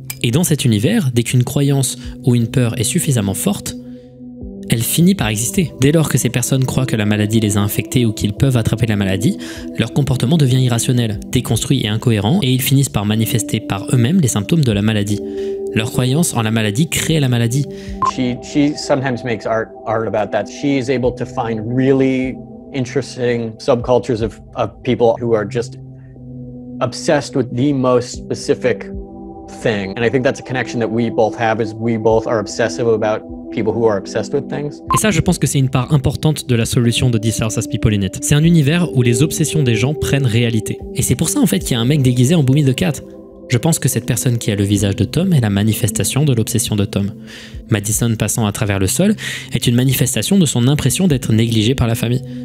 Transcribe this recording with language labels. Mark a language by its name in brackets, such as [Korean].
[French] Et dans cet univers, dès qu'une croyance ou une peur est suffisamment forte, elle finit par exister. Dès lors que ces personnes croient que la maladie les a infectés ou qu'ils peuvent attraper la maladie, leur comportement devient irrationnel, déconstruit et incohérent, et ils finissent par manifester par eux-mêmes les symptômes de la maladie. Leur croyance en la maladie crée la maladie. [English] She sometimes makes art about that. She is able to find really interesting subcultures of people who are just obsessed with the most specific thing. And I think that's a connection that we both have, is we both are obsessive about people who are obsessed with things. [French] Et ça, je pense que c'est une part importante de la solution de This House Has People In It. C'est un univers où les obsessions des gens prennent réalité. Et c'est pour ça en fait qu'il y a un mec déguisé en Boomy the Cat. Je pense que cette personne qui a le visage de Tom est la manifestation de l'obsession de Tom. Madison passant à travers le sol est une manifestation de son impression d'être négligée par la famille.